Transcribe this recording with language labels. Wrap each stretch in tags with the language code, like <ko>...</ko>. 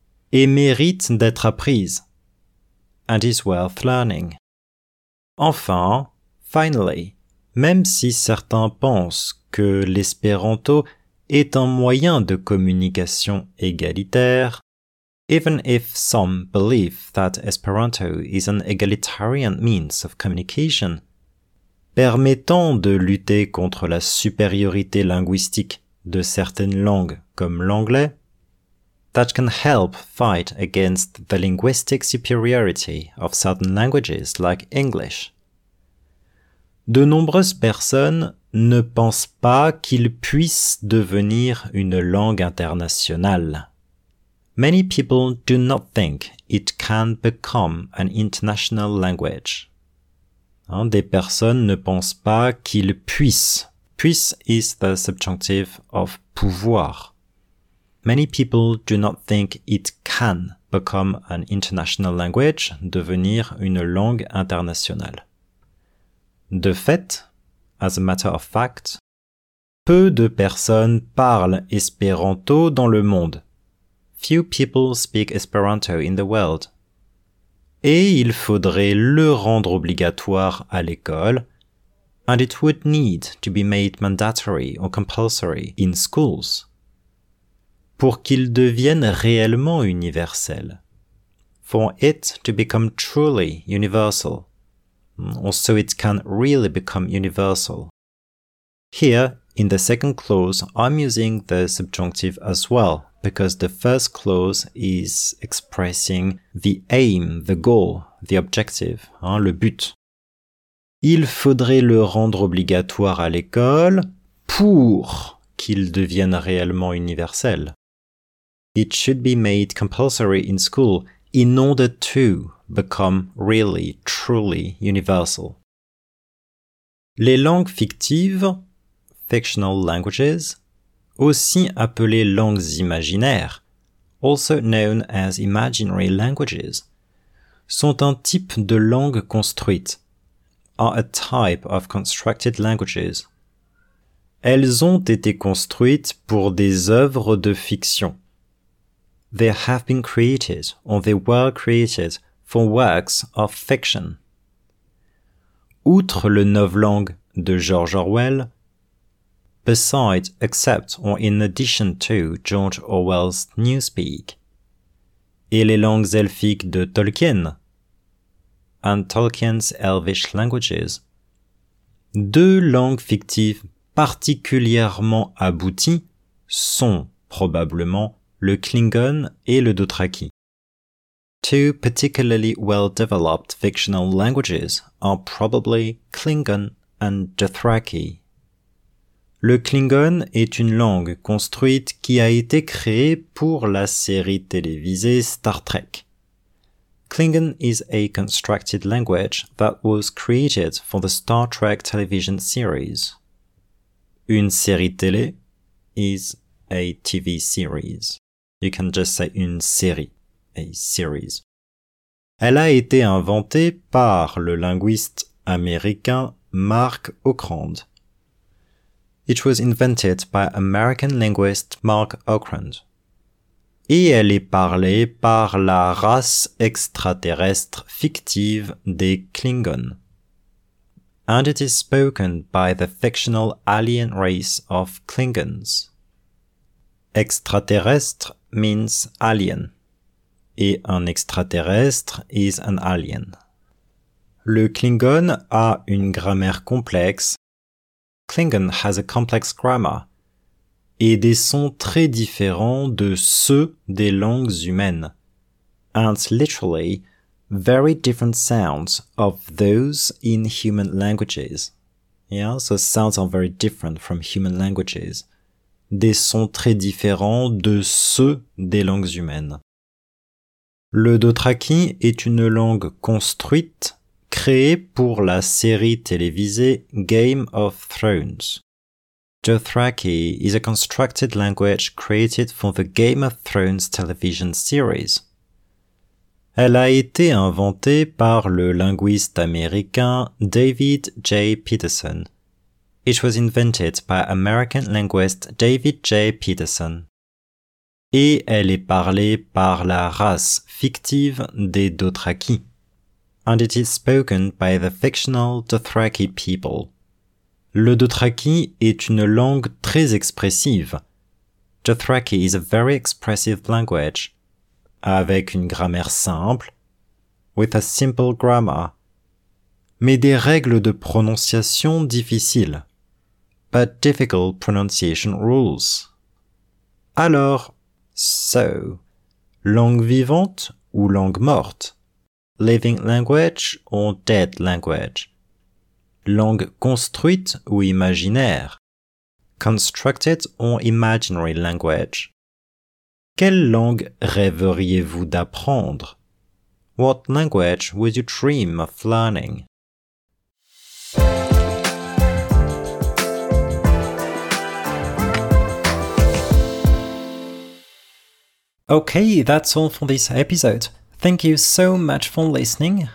<fr>Et mérite d'être apprise.</fr> <en>And is worth learning.</en> <fr>Enfin,</fr> <en>finally,</en> <fr>même si certains pensent que l'espéranto est un moyen de communication égalitaire,</fr> <en>even if some believe that Esperanto is an egalitarian means of communication,</en> <fr>permettant de lutter contre la supériorité linguistique de certaines langues comme l'anglais,</fr> <en>that can help fight against the linguistic superiority of certain languages like English.</en> <fr>De nombreuses personnes ne pensent pas qu'il puisse devenir une langue internationale.</fr> <en>Many people do not think it can become an international language.</en> <fr>Hein, des personnes ne pensent pas qu'il puisse.</fr> <en>Puisse is the subjunctive of pouvoir. Many people do not think it can become an international language,</en> <fr>devenir une langue internationale. De fait,</fr> <en>as a matter of fact,</en> <fr>peu de personnes parlent espéranto dans le monde.</fr> <en>Few people speak Esperanto in the world.</en> <fr>Et il faudrait le rendre obligatoire à l'école.</fr> <en>And it would need to be made mandatory or compulsory in schools.</en> <fr>Pour qu'il devienne réellement universel.</fr> <en>For it to become truly universal. Or so it can really become universal. Here, in the second clause, I'm using the subjunctive as well, because the first clause is expressing the aim, the goal, the objective,</en> <fr>hein, le but. Il faudrait le rendre obligatoire à l'école pour qu'il devienne réellement universel.</fr> <en>It should be made compulsory in school in order to become really, truly universal.</en> <fr>Les langues fictives,</fr> <en>fictional languages,</en> <fr>aussi appelées langues imaginaires,</fr> <en>also known as imaginary languages,</en> <fr>sont un type de langue construite,</fr> <en>are a type of constructed languages.</en> <fr>Elles ont été construites pour des œuvres de fiction.</fr> <en>They have been created, or they were created, for works of fiction.</en> <fr>Outre le novlangue de George Orwell,</fr> <en>besides, except, or in addition to George Orwell's Newspeak,</en> <fr>et les langues elfiques de Tolkien,</fr> <en>and Tolkien's elvish languages,</en> <fr>deux langues fictives particulièrement abouties sont probablement le Klingon et le Dothraki.</fr> <en>Two particularly well-developed fictional languages are probably Klingon and Dothraki.</en> <fr>Le Klingon est une langue construite qui a été créée pour la série télévisée Star Trek.</fr> <en>Klingon is a constructed language that was created for the Star Trek television series.</en> <fr>Une série télé</fr> <en>is a TV series. You can just say</en> <fr>une série.</fr> <en>a series.</en> <fr>Elle a été inventée par le linguiste américain Mark Okrand.</fr> <en>It was invented by American linguist Mark Okrand.</en> <fr>Et elle est parlée par la race extraterrestre fictive des Klingon.</fr> <en>And it is spoken by the fictional alien race of Klingons. Extraterrestre means alien.</en> <fr>Et un extraterrestre</fr> <en>is an alien.</en> <fr>Le Klingon a une grammaire complexe.</fr> <en>Klingon has a complex grammar.</en> <fr>Et des sons très différents de ceux des langues humaines.</fr> <en>And literally, very different sounds of those in human languages. Yeah, so sounds are very different from human languages.</en> <fr>Des sons très différents de ceux des langues humaines. Le Dothraki est une langue construite, créée pour la série télévisée Game of Thrones.</fr> <en>Dothraki is a constructed language created for the Game of Thrones television series.</en> <fr>Elle a été inventée par le linguiste américain David J. Peterson.</fr> <en>It was invented by American linguist David J. Peterson.</en> <fr>Et elle est parlée par la race fictive des Dothraki.</fr> <en>And it is spoken by the fictional Dothraki people.</en> <fr>Le Dothraki est une langue très expressive.</fr> <en>Dothraki is a very expressive language.</en> <fr>Avec une grammaire simple.</fr> <en>With a simple grammar.</en> <fr>Mais des règles de prononciation difficiles.</fr> <en>But difficult pronunciation rules.</en> <fr>Alors, so, langue vivante ou langue morte?</fr> <en>Living language or dead language?</en> <fr>Langue construite ou imaginaire?</fr> <en>Constructed or imaginary language?</en> <fr>Quelle langue rêveriez-vous d'apprendre?</fr> <en>What language would you dream of learning? Okay, that's all for this episode. Thank you so much for listening.</en>